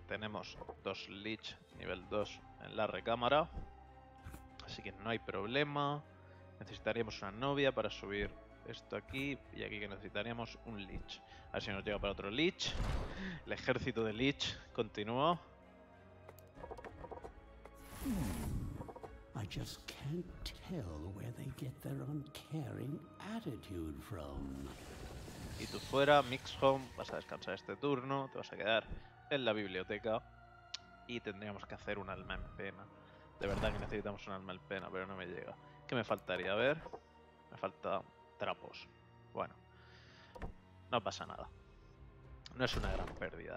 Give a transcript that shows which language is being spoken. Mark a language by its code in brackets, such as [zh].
[es] Tenemos dos Lich nivel 2 en la recámara. Así que no hay problema. Necesitaríamos una novia para subir esto aquí, y aquí que necesitaríamos un Lich. A ver si nos llega para otro Lich. El ejército de Lich continúa. [en] I just can't tell where they get their uncaring attitude from. [es] Y tú fuera, Mixhome, vas a descansar este turno, te vas a quedar en la biblioteca. Y tendríamos que hacer un alma en pena. De verdad que necesitamos un alma en pena, pero no me llega. ¿Qué me faltaría? A ver. Me falta trapos. Bueno, no pasa nada. No es una gran pérdida.